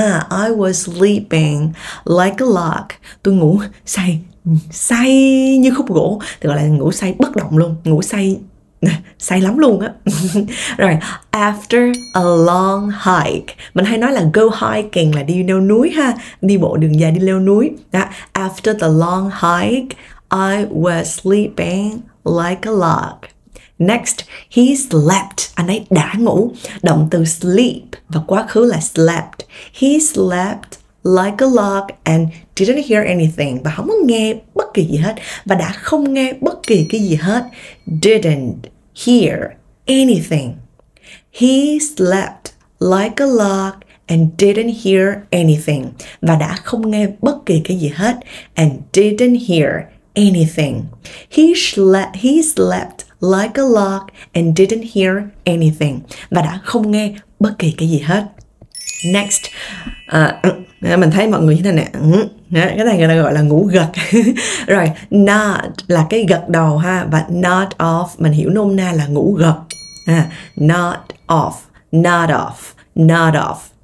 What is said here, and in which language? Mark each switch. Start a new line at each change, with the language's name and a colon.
English: I was sleeping like a log.
Vietnamese: Tôi ngủ say, say như khúc gỗ. Thì gọi là ngủ say bất động luôn, ngủ say, say lắm luôn á. Rồi,
English: after a long hike,
Vietnamese: mình hay nói là go hiking, là đi leo núi ha, đi bộ đường dài, đi leo núi. Đó.
English: After the long hike, I was sleeping like a log. Next, he slept.
Vietnamese: Anh ấy đã ngủ. Động từ sleep và quá khứ là slept.
English: He slept like a log and didn't hear anything.
Vietnamese: Và không có nghe bất kỳ gì hết. Và đã không nghe bất kỳ cái gì hết.
English: Didn't hear anything. He slept like a log and didn't hear anything.
Vietnamese: Và đã không nghe bất kỳ cái gì hết.
English: And didn't hear anything. He slept like a log and didn't hear anything.
Vietnamese: Và đã không nghe bất kỳ cái gì hết. Next, mình thấy mọi người như thế này nè, cái này người ta gọi là ngủ gật. Rồi, nod là cái gật đầu ha, và nod off mình hiểu nôm na là ngủ gật. Nod off, nod off, nod off.